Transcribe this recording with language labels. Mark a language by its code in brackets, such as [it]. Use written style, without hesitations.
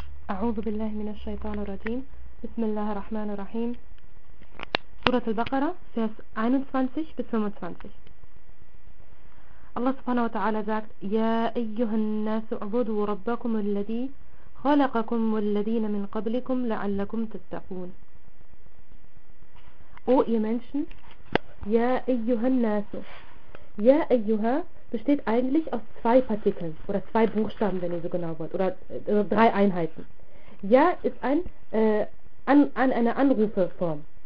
[ar] أعوذ بالله من الشيطان الرجيم. بسم الله الرحمن الرحيم. [de] سورة البقرة vers 21 bis 25. [ar] الله سبحانه وتعالى [de] sagt: [ar] يا أيها الناس اعبدوا ربكم الذي خلقكم والذين من قبلكم لعلكم تتقون. [de] O ihr Menschen, [ar] يا أيها الناس. [de] يا أيها besteht eigentlich aus zwei Partikeln oder zwei Buchstaben, wenn ihr so genau wollt, oder drei Einheiten. Ja ist ein an eine Anrufeform.